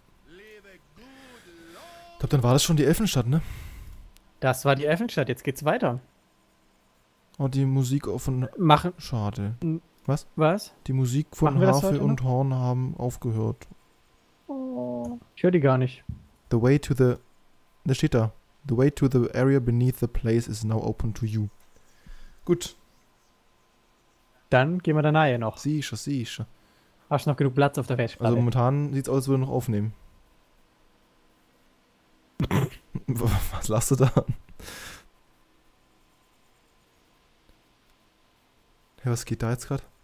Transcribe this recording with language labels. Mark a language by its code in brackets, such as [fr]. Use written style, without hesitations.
[de] Ich glaube, dann war das schon die Elfenstadt, ne? Das war die Elfenstadt. Jetzt geht's weiter. Oh, die Musik offen. Machen. Schade. Was? Was? Die Musik von Harfe und Horn haben aufgehört. Oh, ich höre die gar nicht. [en] The way to the. Da steht da. The way to the area beneath the place is now open to you. [de] Gut. Dann gehen wir da nahe noch. Sicher, sicher. Hast du noch genug Platz auf der Festplatte? Also momentan sieht es aus, als würde noch aufnehmen. Was lachst du da? Hey, was geht da jetzt gerade?